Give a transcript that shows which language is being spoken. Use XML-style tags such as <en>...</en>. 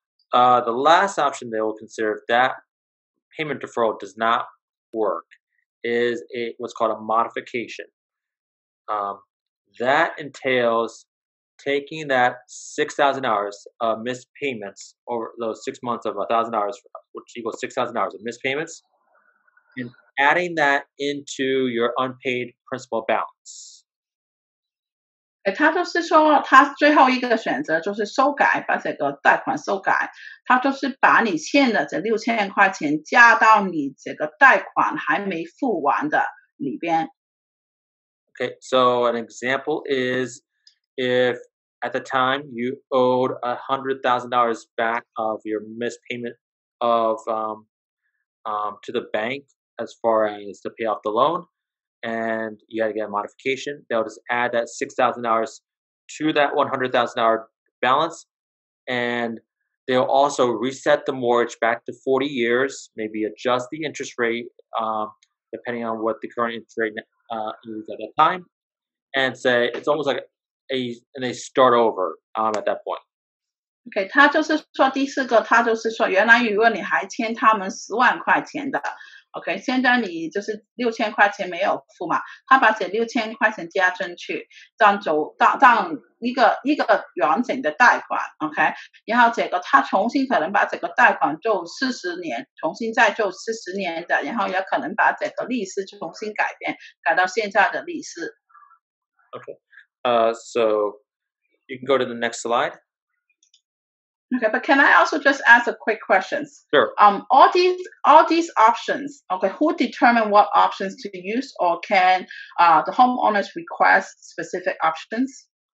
<en>The last option they will consider that payment deferral does not work is what's called a modification. That entails taking that $6,000 of missed payments over those 6 months of $1,000, which equals $6,000 of missed payments, and adding that into your unpaid principal balance.</en> <zh>他就是说他最后一个选择就是修改，把这个贷款修改，他就是把你欠的这6000块钱加到你这个贷款还没付完的里边。</zh> <en>Okay, so an example is if at the time you owed $100,000 back of your missed payment of to the bank as far as to pay off the loan. And you had to get a modification, they'll just add that $6,000 to that $100,000 balance. And they'll also reset the mortgage back to 40 years, maybe adjust the interest rate, depending on what the current interest rate is at that time. And say it's almost like they start over at that point.</en> <zh>Okay, 他就是说第四个，他就是说原来如果你还欠他们10万块钱的。 OK, 现在你就是六千块钱没有付嘛，他把这六千块钱加进去，当一个完整的贷款 ,OK, 然后这个他重新可能把这个贷款做40年，重新再做40年的，然后也可能把这个利息重新改变，改到现在的利息。</zh> <en>OK, so you can go to the next slide. Okay, but can I also just ask a quick question? Sure. All these options, okay, who determine what options to use or can the homeowners request specific options?</en>